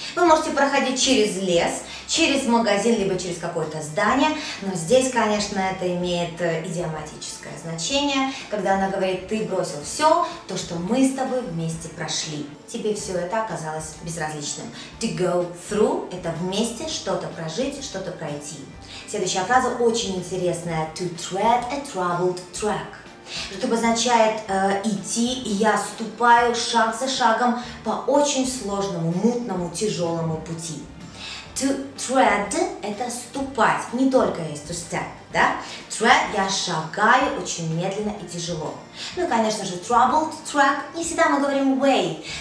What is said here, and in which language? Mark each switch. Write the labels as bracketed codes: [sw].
[ru] Вы можете проходить через лес, через магазин, либо через какое-то здание, но здесь, конечно, это имеет идиоматическое значение, когда она говорит, ты бросил все, то, что мы с тобой вместе прошли. Тебе все это оказалось безразличным. [en] To go through [ru] – это вместе что-то прожить, что-то пройти. Следующая фраза очень интересная. [en] To tread a troubled track. [ru] Это обозначает идти, и я ступаю шаг за шагом по очень сложному, мутному, тяжелому пути. To tread – это ступать, не только есть [en] to step, [ru] да? Tread – я шагаю очень медленно и тяжело. Ну и, конечно же, [en] troubled track [ru] – не всегда мы говорим way.